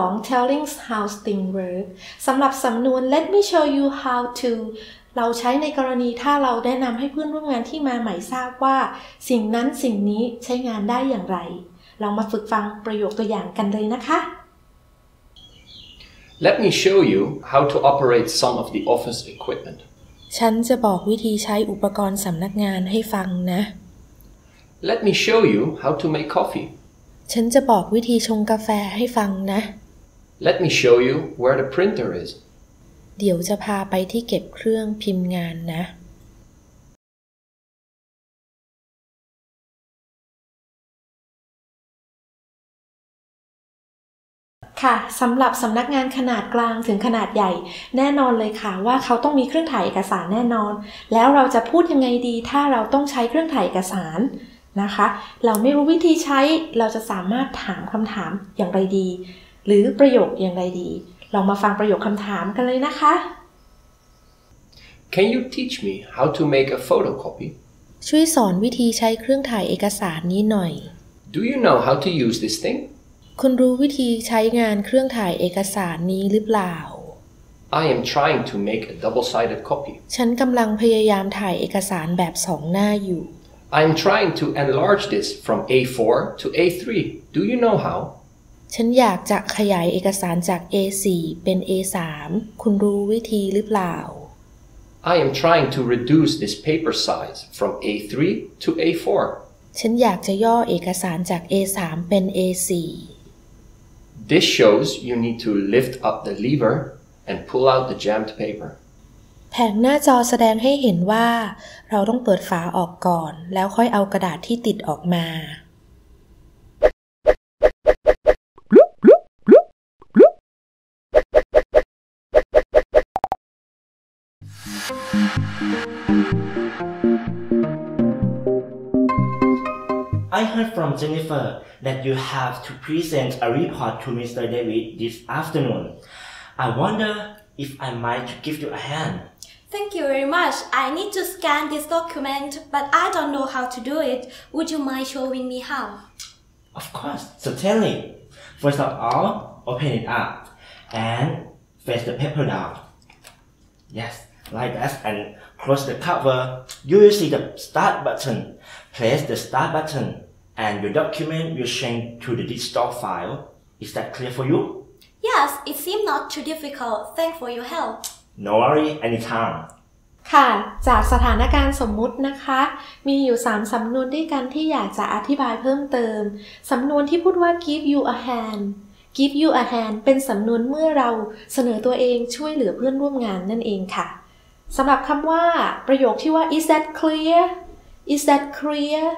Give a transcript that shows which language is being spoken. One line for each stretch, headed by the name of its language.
English: Telling how things work
Thai: สำหรับสำนวน
English: Let me show you how to
Thai: เราใช้ในกรณีถ้าเราแนะนำให้เพื่อนร่วมงานที่มาใหม่ทราบว่าสิ่งนั้นสิ่งนี้ใช้งานได้อย่างไรเรามาฝึกฟังประโยคตัวอย่างกันเลยนะคะ
English: Let me show you how to operate some of the office equipment
Thai: ฉันจะบอกวิธีใช้อุปกรณ์สำนักงานให้ฟังนะ
English: Let me show you how to make coffee
Thai: ฉันจะบอกวิธีชงกาแฟให้ฟังนะ
English: Let me show you where the printer is.
Thai: เดี๋ยวจะพาไปที่เก็บเครื่องพิมพ์งานนะ ค่ะ สำหรับสำนักงานขนาดกลางถึงขนาดใหญ่แน่นอนเลยค่ะว่าเขาต้องมีเครื่องถ่ายเอกสารแน่นอนแล้วเราจะพูดยังไงดีถ้าเราต้องใช้เครื่องถ่ายเอกสารนะคะเราไม่รู้วิธีใช้เราจะสามารถถามคำถามอย่างไรดีหรือประโยคอย่างไรดีลองมาฟังประโยคคำถามกันเลยนะคะ
English: Can you teach me how to make a photocopy?
Thai: ช่วยสอนวิธีใช้เครื่องถ่ายเอกสารนี้หน่อย
English: Do you know how to use this thing?
Thai: คุณรู้วิธีใช้งานเครื่องถ่ายเอกสารนี้หรือเปล่า
English: I am trying to make a double-sided copy.
Thai: ฉันกำลังพยายามถ่ายเอกสารแบบสองหน้าอยู่
English: I am trying to enlarge this from A4 to A3. Do you know how?
Thai: ฉันอยากจะขยายเอกสารจาก A4 เป็น A3 คุณรู้วิธีหรือเปล่า
English: I am trying to reduce this paper size from A3 to A4
Thai: ฉันอยากจะย่อเอกสารจาก A3 เป็น A4
English: This shows you need to lift up the lever and pull out the jammed paper
Thai: แผงหน้าจอแสดงให้เห็นว่าเราต้องเปิดฝาออกก่อนแล้วค่อยเอากระดาษที่ติดออกมา
English: I heard from Jennifer that you have to present a report to Mr. David this afternoon. I wonder if I might give you a hand. Thank you very much. I need to scan this document, but I don't know how to do it. Would you mind showing me how? Of course, certainly. First of all, open it up and face the paper down. Yes, like that and close the cover. You will see the start button. Press the start button. And your document will change to the digital file. Is that clear for you? Yes, it seems not too difficult. Thanks for your help. No worry, anytime.
Thai: ค่ะจากสถานการณ์สมมุตินะคะมีอยู่3สำนวนด้วยกันที่อยากจะอธิบายเพิ่มเติมสำนวนที่พูดว่า
English: give you a hand
Thai: give you a hand เป็นสำนวนเมื่อเราเสนอตัวเองช่วยเหลือเพื่อนร่วมงานนั่นเองค่ะสำหรับคำว่าประโยคที่ว่า
English: is that clearIs that clear?